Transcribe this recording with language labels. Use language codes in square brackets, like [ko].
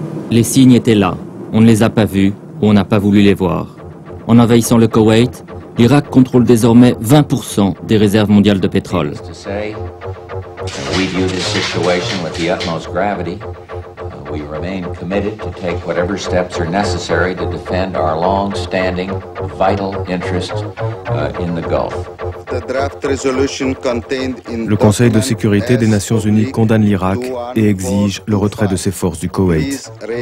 [fr] Les signes étaient là, on ne les a pas vus ou on n'a pas voulu les voir. En envahissant le Koweït, l'Irak contrôle désormais 20% des réserves mondiales de pétrole. [en] We remain committed to take whatever steps are necessary to defend our long-standing vital interests in the Gulf. The draft resolution contained in [fr] Le Conseil de sécurité des Nations Unies condamne l'Irak et exige le retrait de ses forces du Koweït.